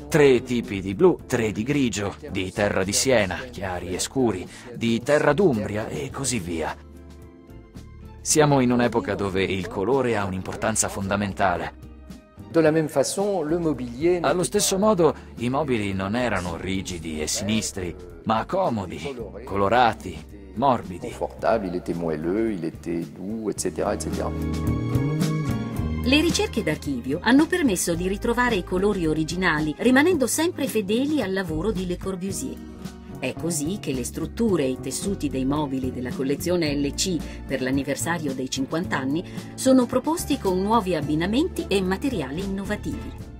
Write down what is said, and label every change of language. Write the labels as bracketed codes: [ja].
[it] 3 tipi di blu, 3 di grigio, di terra di Siena, chiari e scuri, di terra d'Umbria e così via. Siamo in un'epoca dove il colore ha un'importanza fondamentale. Allo stesso modo, i mobili non erano rigidi e sinistri, ma comodi, colorati, morbidi. Confortabile, [fr] était moelleux, il était doux, etc., etc. [it] Le ricerche d'archivio hanno permesso di ritrovare i colori originali, rimanendo sempre fedeli al lavoro di Le Corbusier. È così che le strutture e i tessuti dei mobili della collezione LC per l'anniversario dei 50 anni sono proposti con nuovi abbinamenti e materiali innovativi.